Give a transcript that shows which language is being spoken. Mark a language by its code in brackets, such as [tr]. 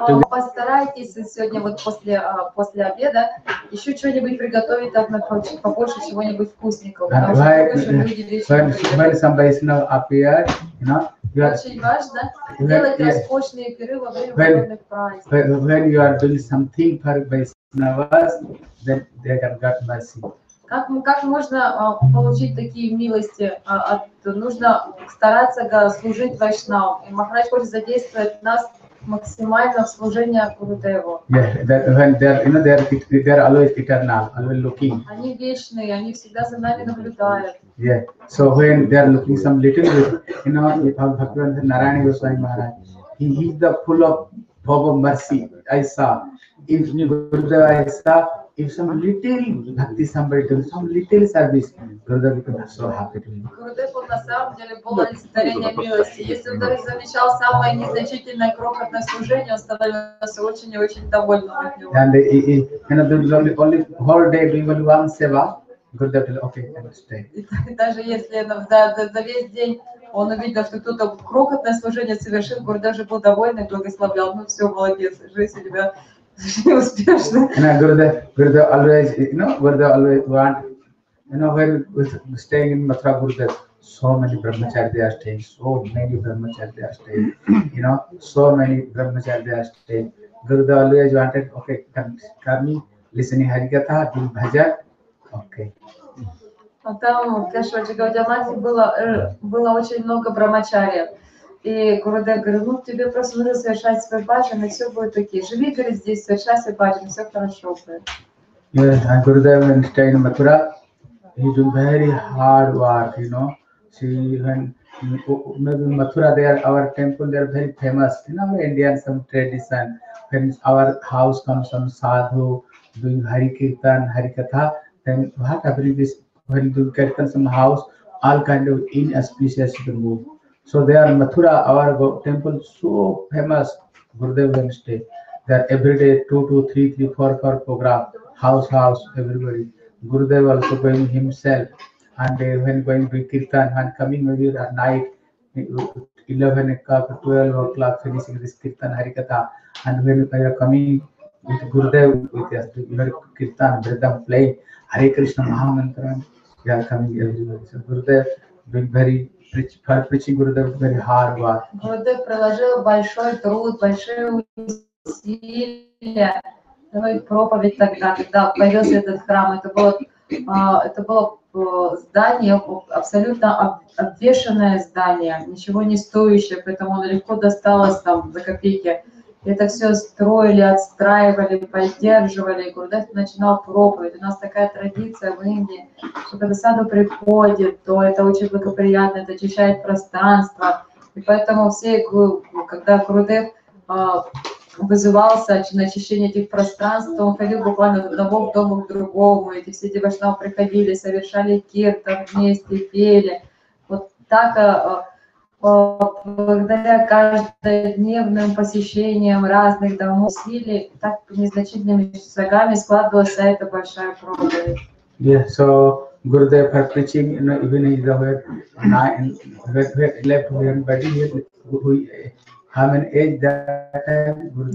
[ru] Постарайтесь сегодня вот после обеда еще что-нибудь приготовить, например, побольше чего-нибудь вкусненького. [en] Why somebody is now appear, you know? You are, [ru] очень важно делать роскошные пиры во время праздников. [en] When you are doing something for Vaishnavas, then they can get mercy. [ru] Как можно получить такие милости? Нужно стараться служить Вайшнаву. И Махарадж хочет задействовать нас максимально в служении Гурудеву. Они вечные, они всегда за нами наблюдают. [en] Yeah. So when they are looking some little bit, you know, if our Bhagavan Narayana Goswami Maharaj, he is the full of Bhava mercy. I saw. If you Gurudev, I saw. If some little bhakti somebody does some little service, Gurudev become so happy to him. [ru] Gurudev на самом деле был олицетворением милости. Если он даже замечал самое незначительное крохотное служение, он становился очень и очень довольным от него. [en] And only whole day doing only one seva, Gurudev will okay, I will stay. [ru] Даже если за весь день он увидел, что кто-то крохотное служение совершил, Gurudev же был доволен и благословлял. Ну все, молодец, жизнь у тебя. [en] And Gurudev always, you know, Gurudev always want, you know, when we're staying in Mathura, Gurudev, so many brahmacharya are staying, so many brahmacharya are staying, you know, so many brahmacharya are staying. Gurudev always wanted, okay, come listening Harikatha, do bhajan, okay. [ru] Там, Кешва Джагавадья Мати, было очень много брахмачарьев. И Гурудев говорит, ну тебе просто нужно совершать свой баджан, и все будет окей. Живи через здесь, совершай свой баджан, все хорошо будет. [en] Yes, Gurudev when stay in Mathura, he do very hard work, you know. See, even maybe Mathura, they are our temple, they are very famous. In our Indian some tradition, when our house comes some sadhu doing Hari Kirtan, Hari Katha, then what happens is when you do Kirtan some house, all kind of inauspicious to move. So they are Mathura, our temple, so famous, Gurudev when stay. That every day, two, three, four program, house, everybody. Gurudev also going himself, and when going to Kirtan, and coming maybe at night, 11 o'clock, 12 o'clock, finishing this Kirtan Harikatha, and when you are coming with Gurudev, with your Kirtan, Vridham playing, Hare Krishna Mahamantra, they are coming everywhere. So Gurudev, being very preaching Gurudev, very hard work. [ru] Gurudev приложил большой труд, большой усилия, ну и проповедь тогда, когда появился этот храм, это было здание, абсолютно обвешанное здание, ничего не стоящее, поэтому оно легко досталось там за копейки. Это все строили, отстраивали, поддерживали, и Гурудев начинал проповедь. У нас такая традиция в Индии, что когда саду приходит, то это очень благоприятно, это очищает пространство. И поэтому все, когда Гурудев вызывался на очищение этих пространств, он ходил буквально от одного к дому к другому, эти все девашнавы приходили, совершали киртан вместе, пели. Вот так, благодаря каждодневным посещениям разных домов, усилий, так незначительными шагами складывалась эта большая проповедь. [en] Yeah, so Gurudev for preaching, you know, even in the how many age that time, Gurudev?